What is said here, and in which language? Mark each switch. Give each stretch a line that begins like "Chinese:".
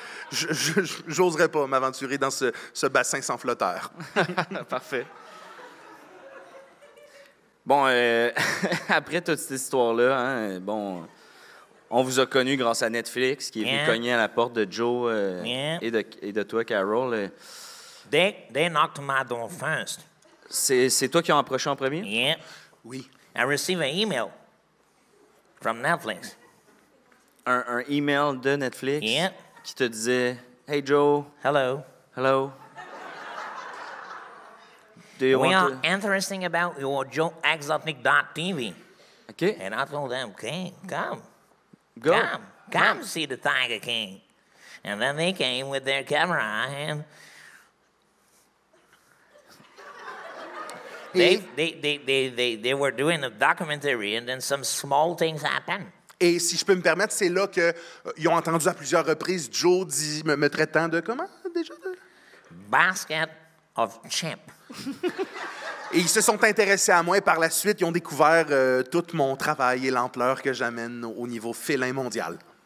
French: J'oserais pas m'aventurer dans ce bassin sans flotteur. Parfait. Bon, après toute cette histoire-là, hein, bon... On vous a connu grâce à Netflix, qui est venu cogner à la porte de Joe et de toi, Carol.
English: They knocked my door first.
French: C'est toi qui as approché en premier?
English: Yeah.
French: Oui.
English: I received an email from Netflix.
French: Un email de Netflix?
English: Yeah.
French: Qui te disait, hey, Joe.
English: Hello. Do you We want are to... interesting about your JoeExotic.tv. OK. And I told them, okay, come. Go. Come see the Tiger King. And then they came with their camera and... They were doing a documentary and then some small things happened.
French: Et si je peux me permettre, c'est là qu'ils ont entendu à plusieurs reprises Joe me traitant de comment déjà?
English: Basket of chimp.
French: Et ils se sont intéressés à moi et par la suite, ils ont découvert tout mon travail et l'ampleur que j'amène au niveau félin mondial.